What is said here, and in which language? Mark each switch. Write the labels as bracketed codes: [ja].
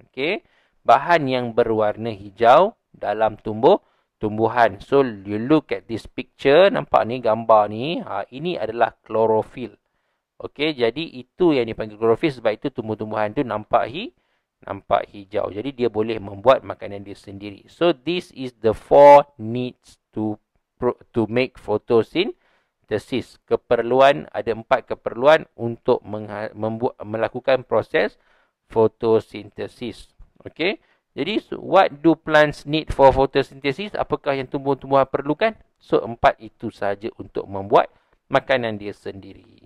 [ms] Okay, bahan yang berwarna hijau dalam tumbuhan. [en] So, you look at this picture. [ms] Nampak ni gambar ni. Ini adalah chlorophyll. Okay, jadi itu yang dipanggil chlorophyll. Sebab itu tumbuh-tumbuhan tu nampak hijau. Jadi, dia boleh membuat makanan dia sendiri. [en] So, this is the four needs to make photosynthesis. [ms] Keperluan, ada empat keperluan untuk melakukan proses photosynthesis. Okay. [en] Jadi, what do plants need for photosynthesis? [ms] Apakah yang tumbuh-tumbuhan perlukan? So, empat itu sahaja untuk membuat makanan dia sendiri.